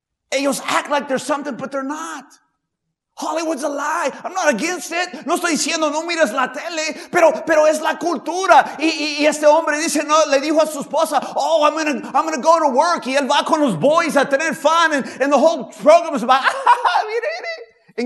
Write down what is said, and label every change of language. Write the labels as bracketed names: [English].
[English] Ellos act like they're something, but they're not. Hollywood's a lie. I'm not against it. [Spanish] No estoy diciendo no mires la tele, pero es la cultura. Y este hombre dice, no, le dijo a su esposa, [English] oh, I'm gonna go to work. [Spanish] Y él va con los boys a tener fun. [English] And the whole program is about, [Spanish] mire, mire.